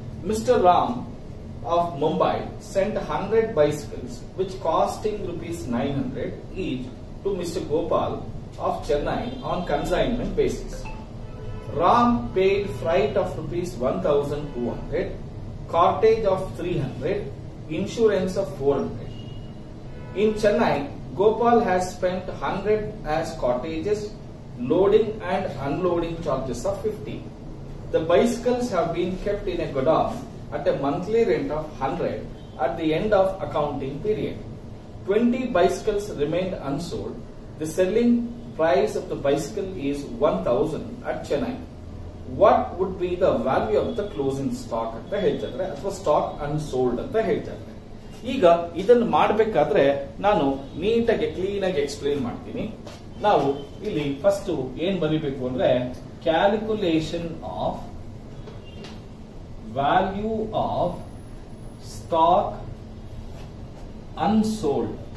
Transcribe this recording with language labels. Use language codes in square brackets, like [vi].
[en] Mister Ram of Mumbai sent 100 bicycles which costing ₹900 each to mister Gopal of Chennai on consignment basis. Ram paid freight of ₹1,200, cartage of ₹300, insurance of ₹400. In Chennai, Gopal has spent 100 as cottages, loading and unloading charges of 50. The bicycles have been kept in a godown at a monthly rent of 100 at the end of accounting period. 20 bicycles remained unsold. The selling price of the bicycle is 1000 at Chennai. What would be the value of the closing stock at the headquarters? That was stock unsold at the headquarters. [kn] ಈಗ ಇದನ್ನು ಮಾಡಬೇಕಾದ್ರೆ ನಾನು ನೀಟಾಗಿ clean ಆಗಿ explain ಮಾಡ್ತೀನಿ. ನಾವು ಇಲ್ಲಿ first ಏನ್ ಬರೀಬೇಕು ಅಂದ್ರೆ [en] Calculation of value of stock unsold.